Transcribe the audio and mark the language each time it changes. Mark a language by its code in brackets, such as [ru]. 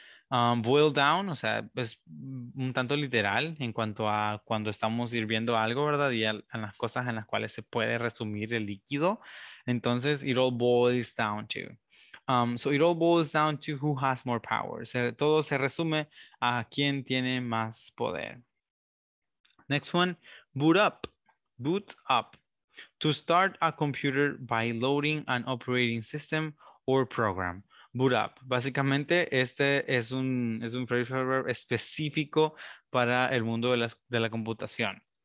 [es] Boil down, o sea, es un tanto literal en cuanto a cuando estamos hirviendo algo, ¿verdad? Y a las cosas en las cuales se puede resumir el líquido. [en] Entonces, it all boils down to. So it all boils down to who has more power. [es] Todo se resume a quién tiene más poder. [en] Next one, boot up. To start a computer by loading an operating system or program. Boot up. [es] Básicamente, este es un phrase verb específico para el mundo de la computación.